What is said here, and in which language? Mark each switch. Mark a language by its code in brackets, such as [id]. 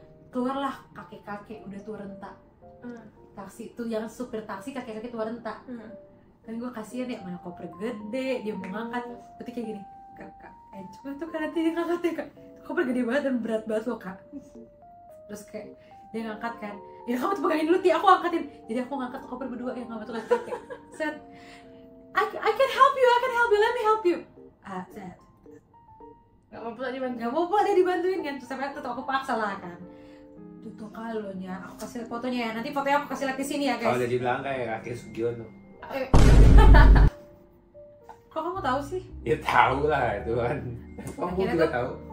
[id] Keluarlah kakek-kakek udah tua renta. Taksi itu yang supir taksi kakek-kakek tua renta. Kan gue kasihan ya, mana koper gede, dia mau ngangkat. Berarti kayak gini, kakak, coba tuh kan nanti dia ngangkat ya kak. Koper gede banget dan berat banget loh kak. Terus kayak, dia ngangkat kan. Ya kamu tuh pegangin dulu Ti, aku angkatin. Jadi aku ngangkat koper berdua, ya ngangkat tuh kakek. [en] Set, I can help you, let me help you. Set. [id] Gak mau pula dia dibantuin kan. Terus sampai aku paksa lah kan. Tutup kalonnya, aku kasih liat fotonya ya. Nanti fotonya aku kasih liat di sini ya guys. Kalau jadi bilang kayak kakek Sugion tuh. Kok kamu tahu sih? Ya tahu lah itu kan. Kamu juga tuh tahu.